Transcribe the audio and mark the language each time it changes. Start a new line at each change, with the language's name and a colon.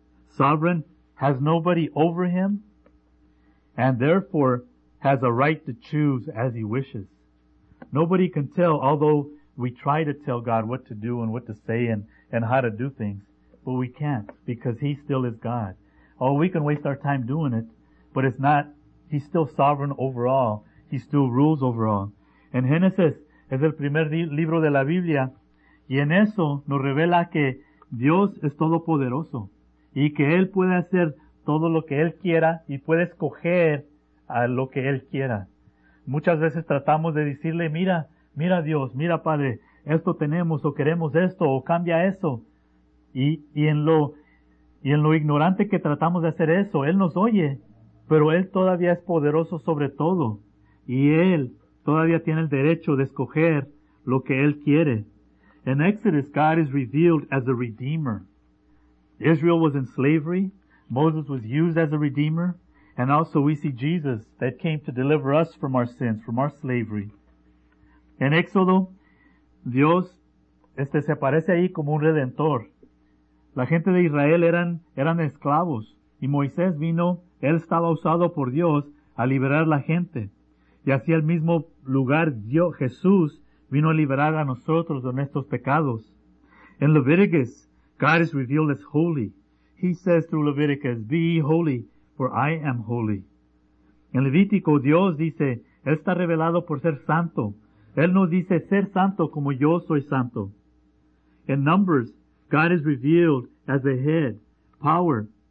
English: Sovereign has nobody over him and therefore has a right to choose as he wishes. Nobody can tell, although we try to tell God what to do and what to say and how to do things. But we can't, because he still is God. Oh, we can waste our time doing it, but it's not. He's still sovereign over all. He still rules over all.
Spanish: En Génesis es el primer libro de la Biblia, y en eso nos revela que Dios es todopoderoso, y que Él puede hacer todo lo que Él quiera, y puede escoger a lo que Él quiera. Muchas veces tratamos de decirle, mira Dios, mira Padre, esto tenemos, o queremos esto, o cambia eso. Y en lo ignorante que tratamos de hacer eso, Él nos oye, pero Él todavía es poderoso sobre todo. Y Él todavía tiene el derecho de escoger lo que Él quiere.
English: In Exodus, God is revealed as a redeemer. Israel was in slavery. Moses was used as a redeemer. And also we see Jesus that came to deliver us from our sins, from our slavery. In
Spanish: Éxodo, Dios se aparece ahí como un redentor. La gente de Israel eran esclavos, y Moisés vino, él estaba usado por Dios a liberar la gente. Y así el mismo lugar dio Jesús vino a liberar a nosotros de nuestros pecados.
English: In Leviticus, God is revealed as holy. He says through Leviticus, be holy, for I am holy.
Spanish: En Levítico, Dios dice, él está revelado por ser santo. Él nos dice, ser santo como yo soy santo.
English: In Numbers, God is revealed as the head, power.